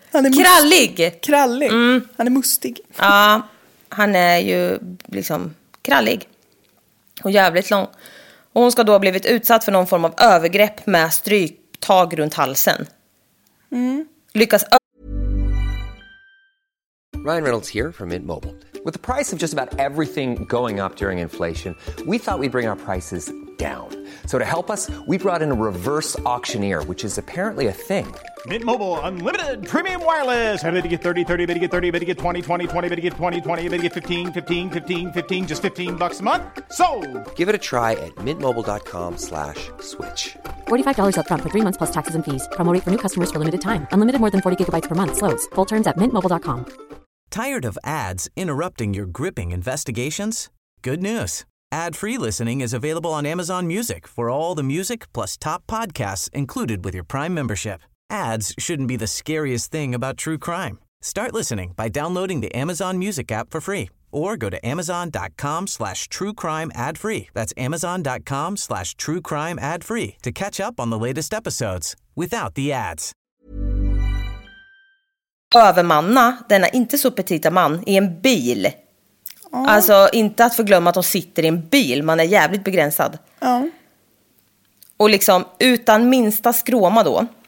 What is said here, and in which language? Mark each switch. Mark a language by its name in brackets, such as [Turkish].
[Swedish] Han är krallig. Mustig. Krallig. Mm. Han är mustig. Ja, han är ju liksom krallig. Och jävligt lång. Och hon ska då ha blivit utsatt för någon form av övergrepp med stryptag runt halsen. Mm. Lyckas. [English] Ryan Reynolds here from Mint Mobile. With the price of just about everything going up during inflation, we thought we'd bring our prices down. So to help us, we brought in a reverse auctioneer, which is apparently a thing. Mint Mobile Unlimited Premium Wireless. I bet you get 30, 30, I bet you get 30, I bet you get 20, 20, 20, I bet you get 20, 20, I bet you get 15, 15, 15, 15, just $15 a month, sold. Give it a try at mintmobile.com/switch. $45 up front for 3 months plus taxes and fees. Promo rate for new customers for limited time. Unlimited more than 40 gigabytes per month. Slows full terms at mintmobile.com. Tired of ads interrupting your gripping investigations? Good news. Ad-free listening is available on Amazon Music for all the music plus top podcasts included with your Prime membership. Ads shouldn't be the scariest thing about true crime. Start listening by downloading the Amazon Music app for free or go to amazon.com/truecrimeadfree. That's amazon.com/truecrimeadfree to catch up on the latest episodes without the ads. [Swedish] Övermanna, denna inte så petita man, i en bil. [English] Oh. [Swedish] Alltså, inte att förglömma att de sitter i en bil. Man är jävligt begränsad. Oh. Och liksom, utan minsta skråma då.